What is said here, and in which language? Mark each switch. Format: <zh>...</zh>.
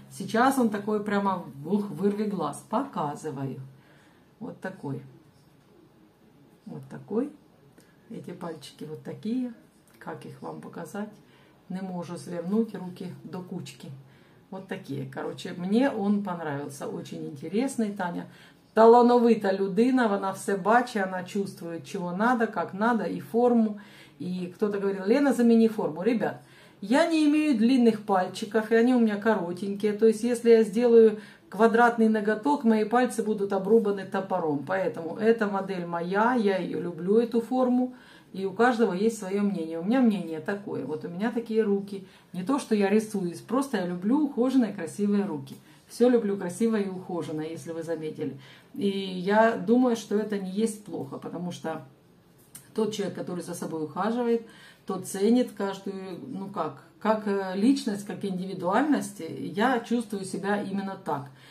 <ru>Сейчас он такой прямо, ух, вырви глаз, показываю. Вот такой. Вот такой. Эти пальчики вот такие. Как их вам показать? Не могу свернуть руки до кучки. Вот такие. Короче, мне он понравился. Очень интересный, Таня.</ru> <uk>Талановита людина, вона все бачить, вона чувствує, чого треба, як треба, і форму. І хтось говорив, Лена, заміни форму. Ребят, я не маю длинних пальчиків, і вони у мене коротенькі. Тобто, якщо я зроблю квадратний ноготок, мої пальці будуть обрубані топором. Тому ця модель моя, я її люблю, цю форму.</uk> <ru>И у каждого есть свое мнение. У меня мнение такое. Вот у меня такие руки. Не то, что я рисуюсь, просто я люблю ухоженные, красивые руки. Все люблю красиво и ухоженно, если вы заметили. И я думаю, что это не есть плохо, потому что тот человек, который за собой ухаживает, тот ценит каждую, ну как личность, как индивидуальность, я чувствую себя именно так.</ru>